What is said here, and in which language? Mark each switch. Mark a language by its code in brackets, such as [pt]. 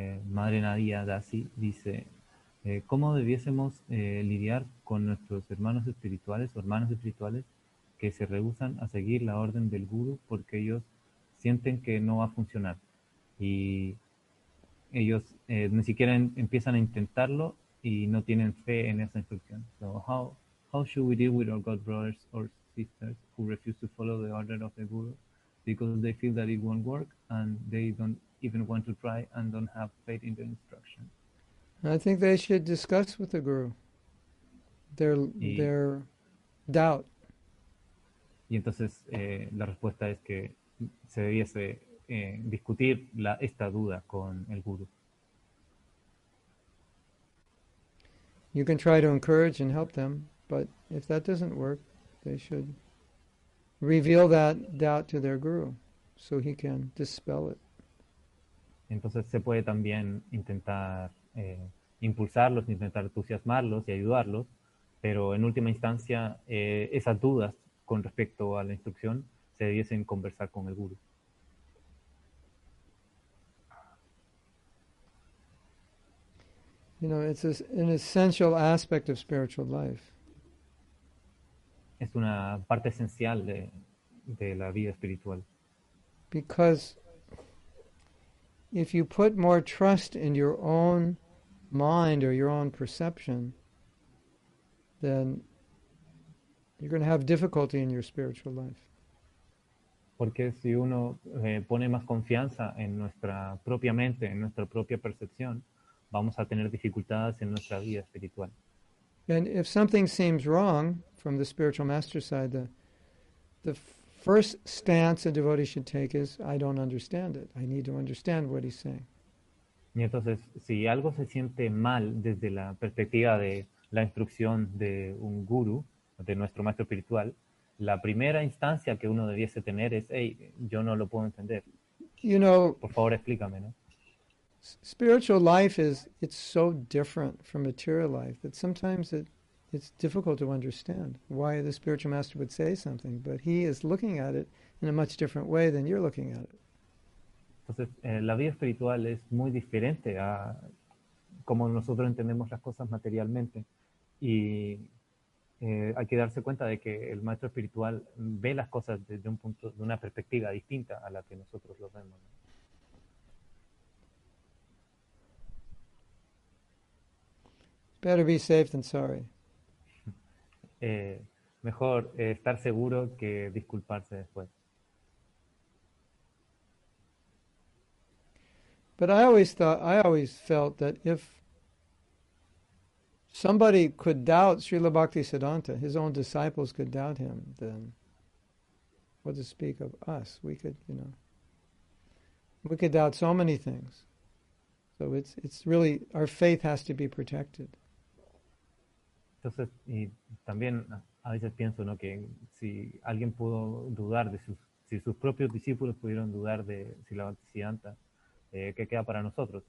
[es] Madre Nadia Dasi dice, ¿cómo debiésemos lidiar con nuestros hermanos espirituales o hermanas espirituales que se rehúsan a seguir la orden del Guru porque ellos sienten que no va a funcionar? Y ellos ni siquiera empiezan a intentarlo y no tienen fe en esa instrucción. [en] So how should we deal with our God brothers or sisters who refuse to follow the order of the Guru because they feel that it won't work and they don't even want to try and don't have faith in the instruction? I think they should discuss with the Guru their doubt. [es] Y entonces la respuesta es que se debiese discutir esta duda con el Guru. [en] You can try to encourage and help them, but if that doesn't work, they should reveal that doubt to their Guru so he can dispel it. [es] Entonces se puede también intentar impulsarlos, intentar entusiasmarlos y ayudarlos, pero en última instancia esas dudas con respecto a la instrucción se debiesen conversar con el Guru. [en] You know, it's an essential aspect of spiritual life. [es] Es una parte esencial de la vida espiritual. [en] Because if you put more trust in your own mind or your own perception, then you're going to have difficulty in your spiritual life. [es] Porque si uno pone más confianza en nuestra propia mente, en nuestra propia percepción, vamos a tener dificultades en nuestra vida espiritual. [en] And if something seems wrong from the spiritual master's side, the first stance a devotee should take is, I don't understand it. I need to understand what he's saying. [es] Y entonces, si algo se siente mal desde la perspectiva de la instrucción de un guru, de nuestro maestro espiritual, la primera instancia que uno debiese tener es, hey, yo no lo puedo entender. [en] You know, [es] por favor, explícame, ¿no? [en] Spiritual life is so different from material life that sometimes it's difficult to understand why the spiritual master would say something, but he is looking at it in a much different way than you're looking at it. [es] Entonces, la vida espiritual es muy diferente a como nosotros entendemos las cosas materialmente, y hay que darse cuenta de que el maestro espiritual ve las cosas desde un punto, de una perspectiva distinta a la que nosotros lo vemos, ¿no? [en] Better be safe than sorry. [es] Mejor estar seguro que disculparse después. [en] But I always felt that if somebody could doubt Srila Bhaktisiddhanta, his own disciples could doubt him, then what to speak of us? We could doubt so many things. So it's really, our faith has to be protected. [es] Entonces, y también a veces pienso, ¿no?, que si alguien pudo dudar de sus si sus propios discípulos pudieron dudar de si la Bhaktisiddhanta, ¿qué queda para nosotros?